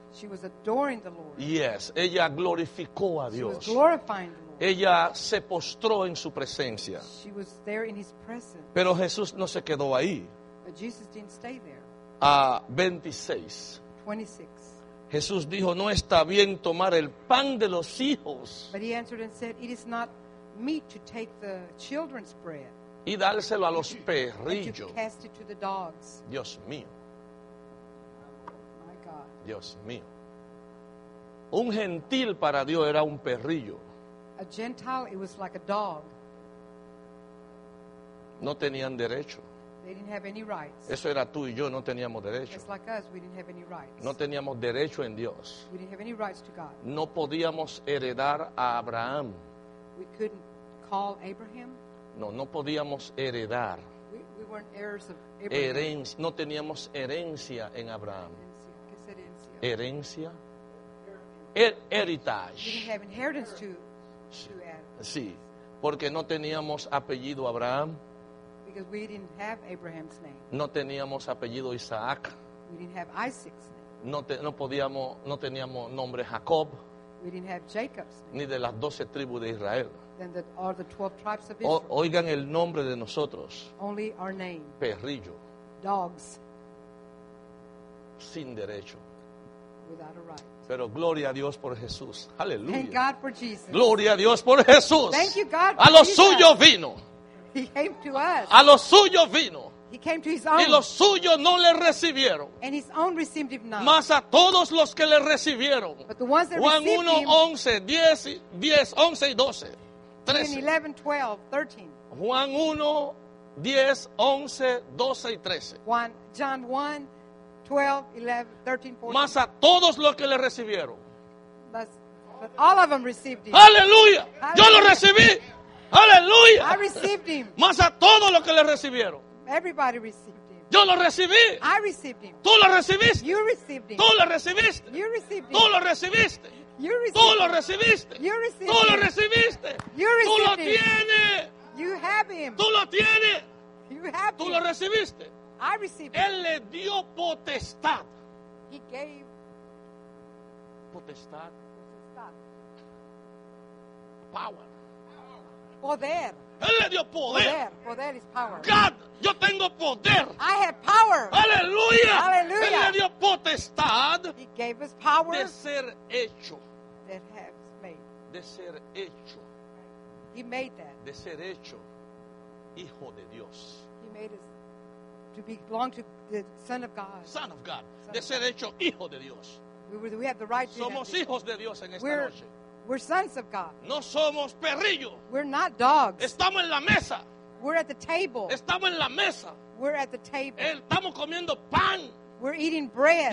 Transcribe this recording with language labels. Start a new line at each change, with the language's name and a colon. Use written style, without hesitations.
English: She was adoring the Lord.
Spanish: Yes, ella glorificó a Dios.
English: She was glorifying the Lord.
Spanish: Ella se postró en su presencia.
English: She was there in his presence.
Spanish: Pero Jesús no se quedó ahí.
English: But Jesus didn't stay there. 26. 26.
Spanish: Jesús dijo, no está bien tomar el pan de los hijos.
English: But he answered and said, it is not meet to take the children's bread.
Spanish: Y dárselo a los perrillos.
English: And to cast it to the dogs.
Spanish: Dios mío. Dios mío. Un gentil para Dios era un perrillo.
English: A gentile, it was like a dog.
Spanish: No tenían derecho.
English: They didn't have any rights.
Spanish: Eso era tú y yo, no teníamos derecho.
English: Just like us, we didn't have any rights.
Spanish: No teníamos derecho en Dios.
English: We didn't have any rights to God.
Spanish: No podíamos heredar a Abraham.
English: We couldn't call Abraham.
Spanish: No, no podíamos heredar.
English: We weren't heirs of Abraham.
Spanish: No teníamos herencia en Abraham. Herencia. Heritage.
English: We didn't have inheritance to Adam.
Spanish: Sí, porque no teníamos apellido Abraham.
English: Because we didn't have Abraham's name.
Spanish: No teníamos apellido Isaac.
English: We didn't have Isaac's name.
Spanish: No teníamos nombre Jacob.
English: We didn't have Jacob's name.
Spanish: Ni de las 12 tribus de Israel.
English: Or the 12 tribes of Israel.
Spanish: Oigan el nombre de nosotros.
English: Only our name.
Spanish: Perrillo.
English: Dogs.
Spanish: Sin derecho.
English: Without a right.
Spanish: Pero gloria a Dios por Jesús. Aleluya.
English: Thank God for Jesus.
Spanish: Gloria a Dios por Jesús.
English: Thank you God.
Spanish: A los suyos vino.
English: He came to us.
Spanish: A los suyos vino.
English: He came to his own.
Spanish: Y los suyos no le recibieron.
English: And his own received him not.
Spanish: Mas a todos los que le recibieron.
English: But the ones that
Spanish: Juan
English: received
Spanish: 1, 11, 10, 10, 11 y 12. 13. Juan 11, 12, 13. Juan 1, 10, 11, 12 y 13.
English: John 1. 12, 11, 13, 14.
Spanish: Mas a todos los que le recibieron.
English: But all of them received him.
Spanish: Aleluya. Yo lo recibí. Aleluya.
English: I received him.
Spanish: Mas a todos los que le recibieron.
English: Everybody received him.
Spanish: Yo lo recibí.
English: I received him.
Spanish: Tú lo recibiste.
English: You received him.
Spanish: Tú lo recibiste.
English: You received him.
Spanish: Tú lo recibiste.
English: You received
Spanish: him. Tú lo recibiste.
English: You received
Spanish: him. Tú lo recibiste.
English: You received
Spanish: him. Tú lo tienes.
English: You have him.
Spanish: Tú lo tienes.
English: You have him.
Spanish: Tú lo recibiste.
English: I received
Spanish: Él le dio potestad.
English: He gave
Spanish: potestad. Potestad.
English: Power.
Spanish: Poder. Él le dio poder.
English: Poder is power.
Spanish: God, yo tengo poder.
English: I have power.
Spanish: Aleluya. Aleluya. Él le dio potestad.
English: He gave us power.
Spanish: De ser hecho.
English: That has made.
Spanish: De ser hecho.
English: He made that.
Spanish: De ser hecho. Hijo de Dios.
English: He made us. To belong to the Son of God. Son of God.
Spanish: Son de ser hecho hijo de Dios.
English: We have the right to
Spanish: Somos hijos de Dios en esta
English: we're
Spanish: noche.
English: We're sons of God.
Spanish: No somos perrillos.
English: We're not dogs.
Spanish: Estamos en la mesa.
English: We're at the table.
Spanish: Estamos en la mesa.
English: We're at the table.
Spanish: Estamos comiendo pan.
English: We're eating bread.